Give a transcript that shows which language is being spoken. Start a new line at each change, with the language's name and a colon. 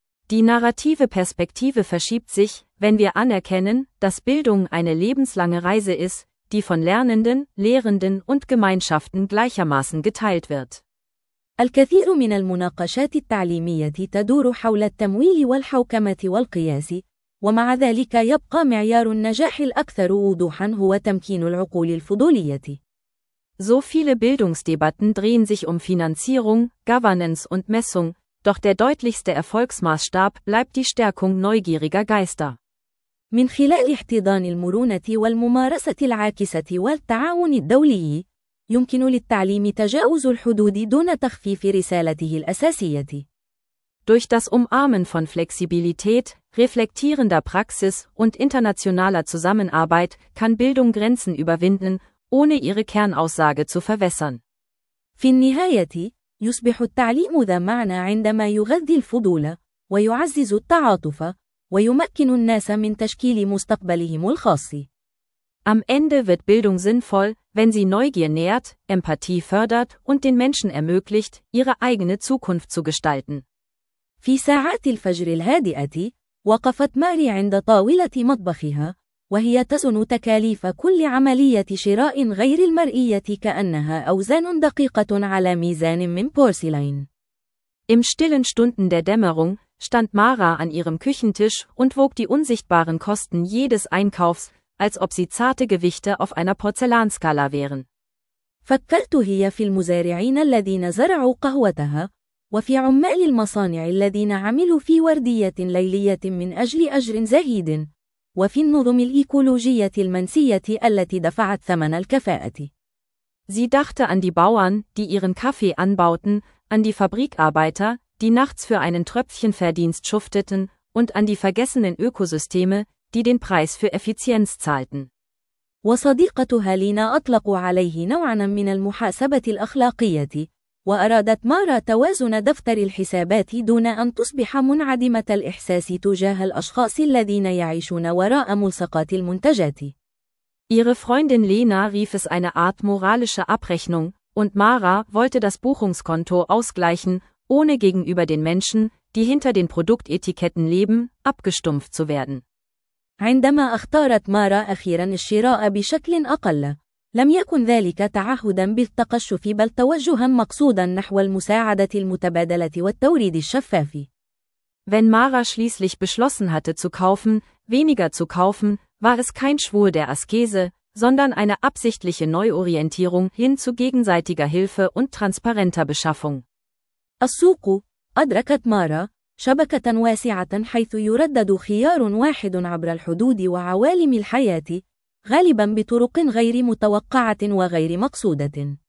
German: Die narrative Perspektive verschiebt sich, wenn wir anerkennen, dass Bildung eine lebenslange Reise ist, die von Lernenden, Lehrenden und Gemeinschaften gleichermaßen geteilt wird.
Arabic: الكثير من المناقشات التعليمية تدور حول التمويل والحوكمة والقياس، ومع ذلك يبقى معيار النجاح الأكثر وضوحاً هو تمكين العقول الفضولية.
German: So viele Bildungsdebatten drehen sich um Finanzierung, Governance und Messung, doch der deutlichste Erfolgsmaßstab bleibt die Stärkung neugieriger Geister.
Arabic: من خلال احتضان المرونة والممارسة العاكسة والتعاون الدولي، يمكن للتعليم تجاوز الحدود دون تخفيف رسالته الأساسية.
German: Durch das Umarmen von Flexibilität, reflektierender Praxis und internationaler Zusammenarbeit kann Bildung Grenzen überwinden, ohne ihre Kernaussage zu verwässern.
Arabic: في النهاية، يصبح التعليم ذا معنى عندما يغذي الفضول ويعزز التعاطف ويمكن الناس من تشكيل مستقبلهم الخاص.
German: Am Ende wird Bildung sinnvoll, wenn sie Neugier nährt, Empathie fördert und den Menschen ermöglicht, ihre eigene Zukunft zu gestalten.
Arabic: في ساعات الفجر الهادئة، وقفت ماري عند طاولة مطبخها وهي تزن تكاليف كل عملية شراء غير المرئية كأنها أوزان دقيقة على ميزان من بورسلين.
German: Im stillen Stunden der Dämmerung stand Mara an ihrem Küchentisch und wog die unsichtbaren Kosten jedes Einkaufs, als ob sie zarte Gewichte auf einer Porzellanskala wären.
Arabic: فكرت هي في المزارعين الذين زرعوا قهوتها وفي عمال المصانع الذين عملوا في وردية ليلية من أجل أجر زهيد وفي النظم الإيكولوجية المنسية التي دفعت ثمن الكفاءة.
German: Sie dachte an die Bauern, die ihren Kaffee anbauten, an die Fabrikarbeiter, die nachts für einen Tröpfchenverdienst schufteten und an die vergessenen Ökosysteme, die den Preis für Effizienz zahlten.
Arabic: وصديقتها لينا أطلق عليه نوعاً من المحاسبة الأخلاقية وأرادت مارا توازن دفتر الحسابات دون أن تصبح منعدمة الإحساس تجاه الأشخاص الذين يعيشون وراء ملصقات المنتجات.
German: Ihre Freundin Lena rief es eine Art moralische Abrechnung, und Mara wollte das Buchungskonto ausgleichen, ohne gegenüber den Menschen, die hinter den Produktetiketten leben, abgestumpft zu werden.
Arabic: عندما اختارت مارا أخيراً الشراء بشكل أقل، لم يكن ذلك تعهداً بالتقشف بل توجهاً مقصوداً نحو المساعدة المتبادلة والتوريد الشفاف.
German: Wenn Mara schließlich beschlossen hatte zu kaufen, weniger zu kaufen, war es kein Schwur der Askese, sondern eine absichtliche Neuorientierung hin zu gegenseitiger Hilfe und transparenter Beschaffung.
Arabic: السوق، أدركت مارا، شبكة واسعة حيث يردد خيار واحد عبر الحدود وعوالم الحياة، غالباً بطرق غير متوقعة وغير مقصودة.